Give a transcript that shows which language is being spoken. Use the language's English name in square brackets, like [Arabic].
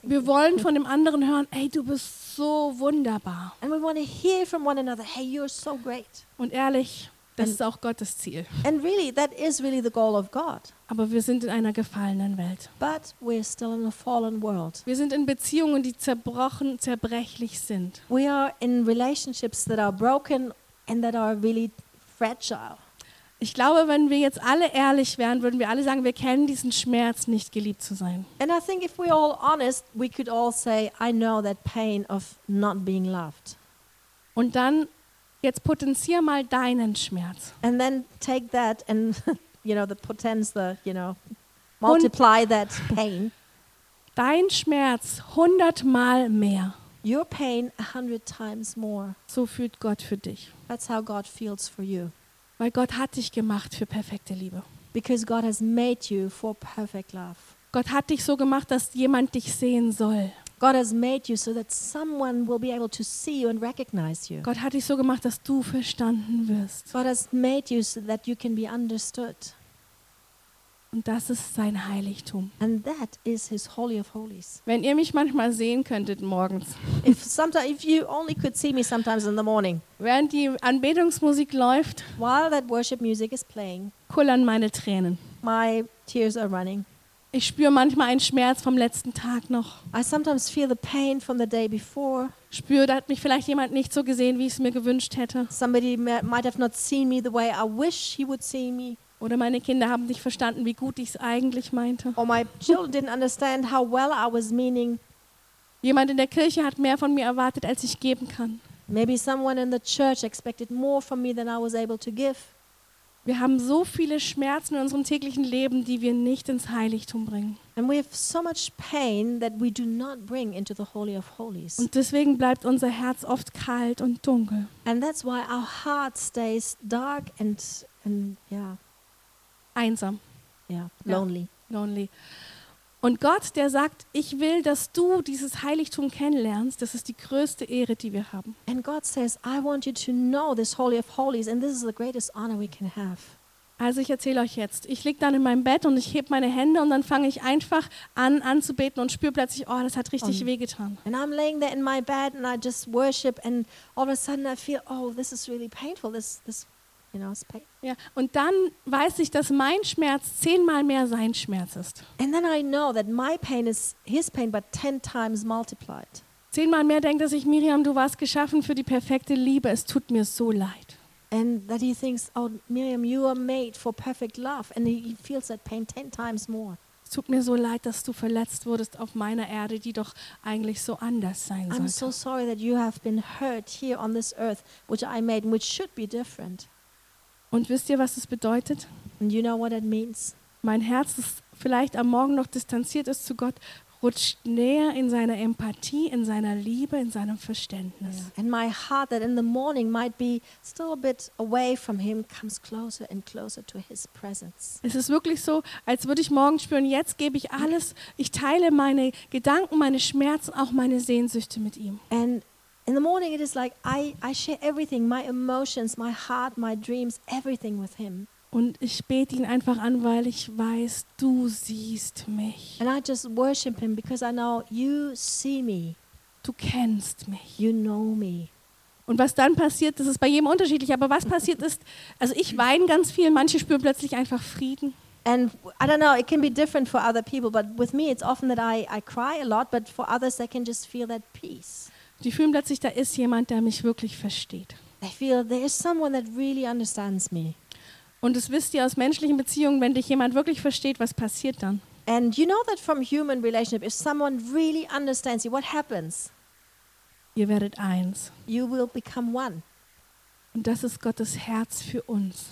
[German] Wir wollen von dem anderen hören, hey, du bist so wunderbar. [English] And we want to hear from one another, hey, you're so great. [German] Und ehrlich, das ist auch Gottes Ziel. [English] And really, that is really the goal of God. [German] Aber wir sind in einer gefallenen Welt. [English] But we're still in a fallen world. [German] Wir sind in Beziehungen, die zerbrochen, zerbrechlich sind. [English] We are in relationships that are broken and that are really fragile. [German] Ich glaube, wenn wir jetzt alle ehrlich wären, würden wir alle sagen, wir kennen diesen Schmerz, nicht geliebt zu sein. [English] And I think if we're all honest, we could all say, I know that pain of not being loved. [German] Und dann, jetzt potenzier mal deinen Schmerz. [English] And then take that and, you know, the potence, the, you know, multiply und that pain. [German] Dein Schmerz 100-mal mehr. [English] Your pain 100 times more. [German] So fühlt Gott für dich. [English] That's how God feels for you. [German] Weil Gott hat dich gemacht für perfekte Liebe. [English] Because God has made you for perfect love. [German] Gott hat dich so gemacht, dass jemand dich sehen soll. [English] God has made you so that someone will be able to see you and recognize you. [German] Gott hat dich so gemacht, dass du verstanden wirst. [English] God has made you so that you can be understood. [German] Und das ist sein Heiligtum. [English] And that is his holy of holies. [German] Wenn ihr mich manchmal sehen könntet morgens. [English] If you only could see me sometimes in the morning. [German] Während die Anbetungsmusik läuft. [English] While that worship music is playing. [German] Kullern meine Tränen. [English] My tears are running. [German] Ich spüre manchmal einen Schmerz vom letzten Tag noch. [English] I sometimes feel the pain from the day before. [German] Spüre, da hat mich vielleicht jemand nicht so gesehen, wie ich es mir gewünscht hätte. [English] Somebody might have not seen me the way I wish he would see me. [German] Oder meine Kinder haben nicht verstanden, wie gut ich es eigentlich meinte. [English] Or my children didn't understand how well I was meaning. [German] Jemand in der Kirche hat mehr von mir erwartet, als ich geben kann. [English] Maybe someone in the church expected more from me than I was able to give. [German] Wir haben so viele Schmerzen in unserem täglichen Leben, die wir nicht ins Heiligtum bringen. [English] And we have so much pain that we do not bring into the Holy of Holies. [German] Und deswegen bleibt unser Herz oft kalt und dunkel. [English] And that's why our heart stays dark and yeah. [German] Einsam. [English] Yeah, lonely. Ja, lonely. [German] Und Gott, der sagt, ich will, dass du dieses Heiligtum kennenlernst, das ist die größte Ehre, die wir haben. [English] And God says, I want you to know this Holy of Holies and this is the greatest honor we can have. [German] Also ich erzähle euch jetzt, ich liege dann in meinem Bett und ich hebe meine Hände und dann fange ich einfach an anzubeten und spüre plötzlich, oh, das hat richtig wehgetan. [English] And I'm laying there in my bed and I just worship and all of a sudden I feel, oh, this is really painful, this [German] ja, und dann weiß ich, dass mein Schmerz 10-mal mehr sein Schmerz ist. [English] And then I know that my pain is his pain, but 10 times multiplied. [German] 10-mal mehr denkt, dass ich Miriam, du warst geschaffen für die perfekte Liebe. Es tut mir so leid. [English] And that he thinks, oh Miriam, you are made for perfect love, and he feels that pain 10 times more. [German] Es tut mir so leid, dass du verletzt wurdest auf meiner Erde, die doch eigentlich so anders sein sollte. [English] I'm so sorry that you have been hurt here on this earth, which I made, and which should be different. [German] Und wisst ihr, was es bedeutet? [English] And you know what it means? [German] Mein Herz ist vielleicht am Morgen noch distanziert ist zu Gott. rutscht näher in seiner Empathie, in seiner Liebe, in seinem Verständnis. [English] Yeah. And my heart that in the morning might be still a bit away from him comes closer and closer to his presence. [German] Es ist wirklich so, als würde ich morgen spüren, jetzt gebe ich alles, ich teile meine Gedanken, meine Schmerzen, auch meine Sehnsüchte mit ihm. [English] And in the morning it is like I share everything, my emotions, my heart, my dreams, everything with him. [German] Und ich bete ihn einfach an, weil ich weiß, du siehst mich. [English] And I just worship him because I know you see me. [German] Du kennst mich. [English] You know me. [German] Und was dann passiert, das ist bei jedem unterschiedlich, aber was passiert ist, also ich weine ganz viel, manche spüren plötzlich einfach Frieden. [English] And I don't know, it can be different for other people, but with me it's often that I cry a lot, but for others they can just feel that peace. [German] Die fühlen plötzlich, da ist jemand, der mich wirklich versteht. [English] They feel there is someone that really understands me. [German] Und das wisst ihr aus menschlichen Beziehungen, wenn dich jemand wirklich versteht, was passiert dann? [English] And you know that from human relationship, if someone really understands you, what happens? [German] Ihr werdet eins. [English] You will become one. [German] Und das ist Gottes Herz für uns.